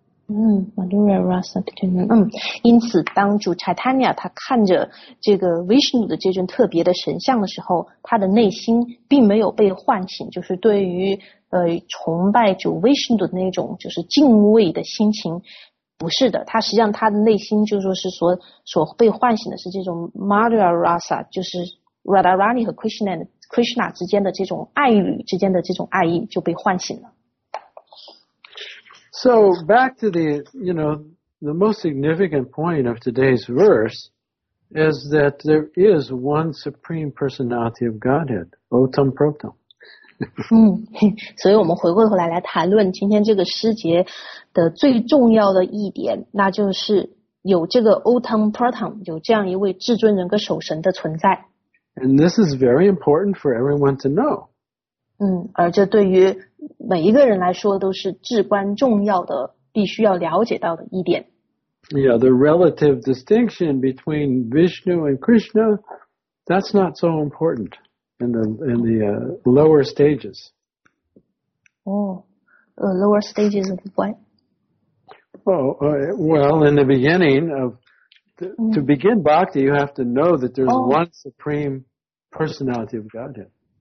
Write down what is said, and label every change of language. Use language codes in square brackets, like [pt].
[en] Madhurya Rasa between them. [zh] 因此当主 Chaitanya 他看着这个 Vishnu 的这尊特别的神像的时候，他的内心并没有被唤醒，就是对于崇拜主 Vishnu 的那种就是敬畏的心情，不是的，他实际上他的内心就是说是所被唤醒的是这种 Madhurya Rasa, 就是 Radharani 和 Krishna 之间的这种爱侣之间的这种爱意就被唤醒了。 [en] So back to the most significant point of today's verse is that there is one supreme personality of Godhead, Otam Protam. [zh] 所以我们回过头来谈论今天这个诗节的最重要的一点，那就是有这个 Otam Protam, 有这样一位至尊人格守神的存在。 [en] And this is very important for everyone to know. [zh] 而这对于每一个人来说都是至关重要的必须要了解到的一点。 [en] Yeah, the relative distinction between Vishnu and Krishna, that's not so important in the lower stages. Lower stages of what? Well, in the beginning of, to begin bhakti, you have to know that there's one supreme personality of Godhead.